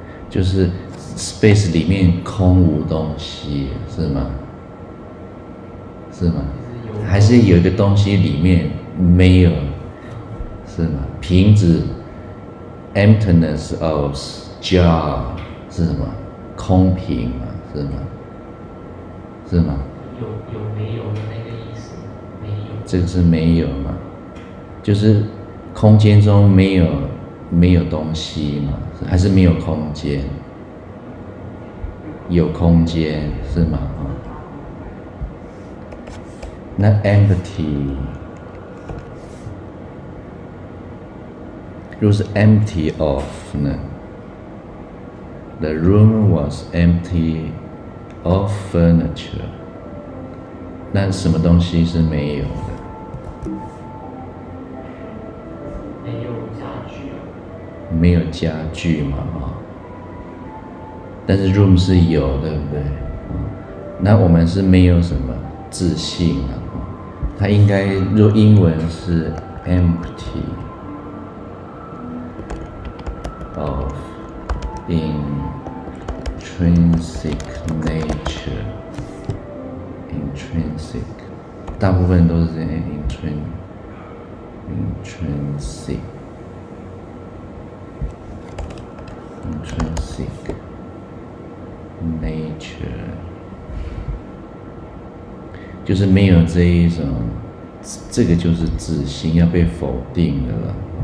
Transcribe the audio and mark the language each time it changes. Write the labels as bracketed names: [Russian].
[Chinese] 就是 space 里面空无东西，是吗？是吗？还是有一个东西里面没有，是吗？瓶子 [English] emptiness of jar [Chinese] 是吗？空瓶嘛，是吗？是吗？有没有的那个意思？没有。这个是没有嘛？就是空间中没有。没有东西嘛，还是没有空间？没有有空间，是吗？那 empty， 若是 empty of 呢？ [English] The room was empty of furniture。 [Chinese] 那什么东西是没有的？没有家具。没有家具嘛，哦，但是 room 是有，对不对？那我们是没有什么自信啊。它应该若英文是 [English] empty of intrinsic nature。 [Chinese] intrinsic， 大部分都是 intrinsic nature， 就是没有这一种，这个就是自信要被否定的了。